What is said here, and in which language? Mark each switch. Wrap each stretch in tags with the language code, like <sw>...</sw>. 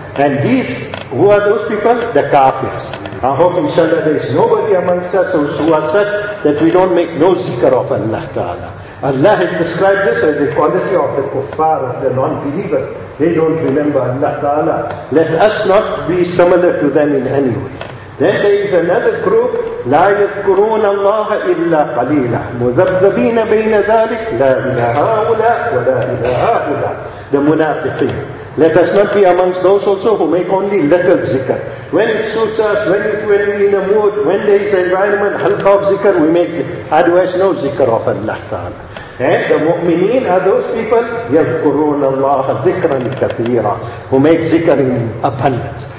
<en>And these, who are those people? The kafirs. I hope inshallah there is nobody amongst us who are such that we don't make no zikr of Allah Ta'ala. Allah has described this as the quality of the kuffar, of the non-believers. They don't remember Allah Ta'ala. Let us not be similar to them in any way. Then there is another group,</en> <ar>لا يذكرون الله إلا قليلا مذبذبين بين ذلك لا إلى هؤلاء ولا إلى هؤلاء.</ar> <en>The munafiqeen. Let us not be amongst those also who make only little zikr. When it suits us, when we're in a mood, when there is an environment, halqa of zikr, we make zikr. Otherwise, no zikr of Allah Ta'ala. And the mu'mineen are those people,</en> <ar>يذكرون الله ذكرا كثيرا,</ar> <en>who make zikr in abundance.</en>